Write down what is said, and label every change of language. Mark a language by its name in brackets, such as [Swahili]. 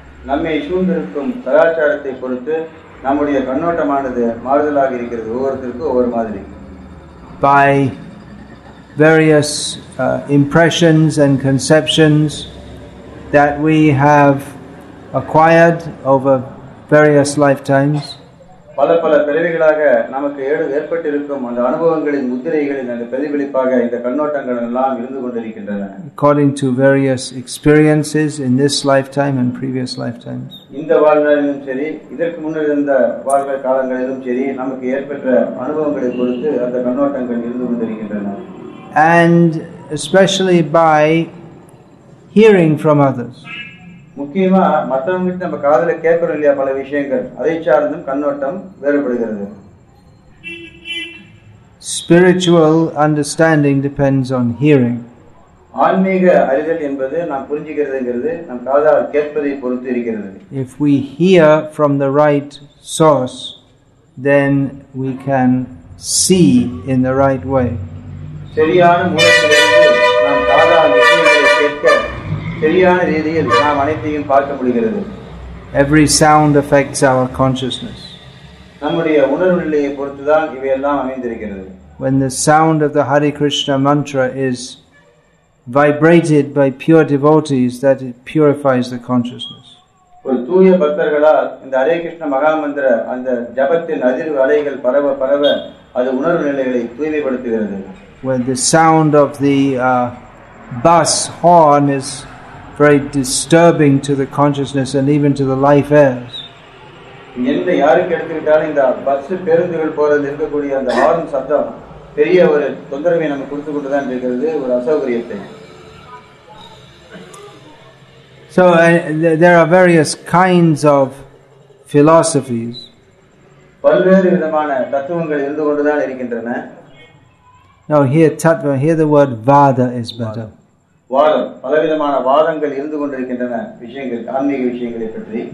[Tamil] நம்மை சூழ்ந்திருக்கும் கலாச்சாரத்தை பொறுத்து நம்முடைய கண்ணோட்டமானது மாறுதலாக இருக்கிறது. ஒவ்வொருத்தருக்கும் ஒவ்வொரு மாதிரி. [English] By various impressions and conceptions that we have acquired over various lifetimes. [Tamil] பல பல பிறவிகளாக நமக்கு ஏற்பட்டிருக்கும் அந்த அனுபவங்களின் முத்திரைகளின் அந்த பிரதிபலிப்பாக இந்த கண்ணோட்டங்கள் எல்லாம் இருந்து கொண்டிருக்கின்றன. [English] According to various experiences in this lifetime and previous lifetimes. [Tamil] இந்த வாழ்நாளிலும் சரி, இதற்கு முன்னிருந்த வாழ்க்கை காலங்களிலும் சரி, நமக்கு ஏற்பட்ட அனுபவங்களை பொறுத்து அந்த கண்ணோட்டங்கள் இருந்து கொண்டிருக்கின்றன. [English] And especially by hearing from others. [Tamil] முக்கியமா மற்றவங்க நம்ம காதல கேட்கறோம் இல்லையா, பல விஷயங்கள் அதை சார்ந்தும் கண்ணோட்டம் வேறுபடுகிறது. [English] Spiritual understanding depends on hearing. [Tamil] ஆன்மீக அறிதல் என்பது நாம் புரிஞ்சுகிறதுங்கிறது நம் காதால் கேட்பதை பொறுத்து இருக்கிறது. [English] If we hear from the right source, then we can see in the right way. [Tamil] சரியான மூலத்திலிருந்து நாம் காதால் விஷயங்களை கேட்க சரியான ரீதியில் நாம் அனைத்தையும் பார்க்க முடிகிறது. [English] Every sound affects our consciousness. [Tamil] நம்முடைய உணர்வு நிலையை பொறுத்துதான் இவையெல்லாம் அமைந்திருக்கிறது. [English] When the sound of the Hare Krishna mantra is vibrated by pure devotees, that it purifies the consciousness. [Tamil] ஒரு தூய பக்தர்களால் இந்த ஹரே கிருஷ்ண மகாமந்திர அந்த ஜபத்தின் அதிர்வு அலைகள் பரவ பரவ அது உணர்வு நிலைகளை தூய்மைப்படுத்துகிறது. [English] When the sound of the bus horn is very disturbing to the consciousness and even to the life airs. [Tamil] என்ன யாருக்கு எடுத்துட்டால இந்த பஸ் பேருந்துகள் போறதுல இருக்க கூடிய அந்த ஹார்ன் சத்தம் பெரிய ஒரு தொந்தரவை நமக்கு கொடுத்து கொண்டு தான் இருக்குது, ஒரு அசௌகரியத்தை. [English] So there are various kinds of philosophies. [Tamil] பல்வேறு விதமான தத்துவங்கள் இருந்து கொண்டு தான் இருக்கின்றன. [English] Now here the word vada is better. [Tamil] வாதம், பலவிதமான வாதங்கள் இருந்து கொண்டிருக்கின்றன விஷயங்கள், ஆன்மீக விஷயங்களை பற்றி.